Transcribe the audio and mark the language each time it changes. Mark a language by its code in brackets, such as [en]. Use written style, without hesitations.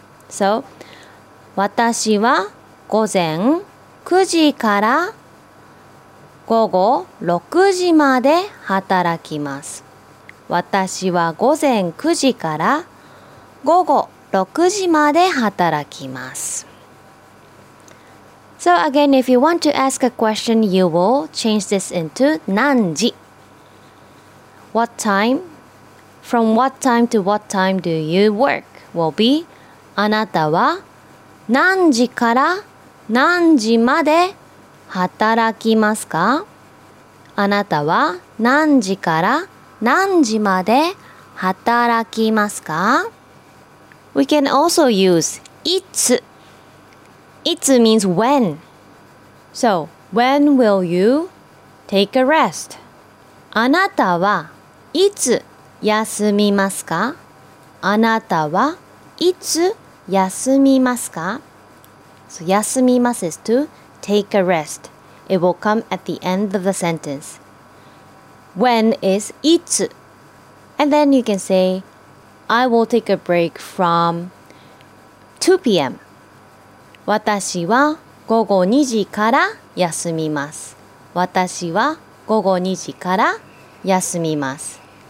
[ja] So, 私は午前9時から午後6時まで働きます。私は午前9時から午後6時まで働きます。 [en] So again, if you want to ask a question, you will change this into [ja] 何時? [en] What time? From what time to what time do you work? Will be [ja] あなたは何時から何時まで働きますか? あなたは何時から何時まで働きますか? [en] We can also use いつ。いつ means when. So, when will you take a rest? [ja] あなたはいつ休みますか? あなたはいつ休みますか? [en] So, 休みます is to take a rest. It will come at the end of the sentence. When is いつ? And then you can say, I will take a break from 2 p.m. [ja] 私は午後2時から休みます。私は午後2時から休みます。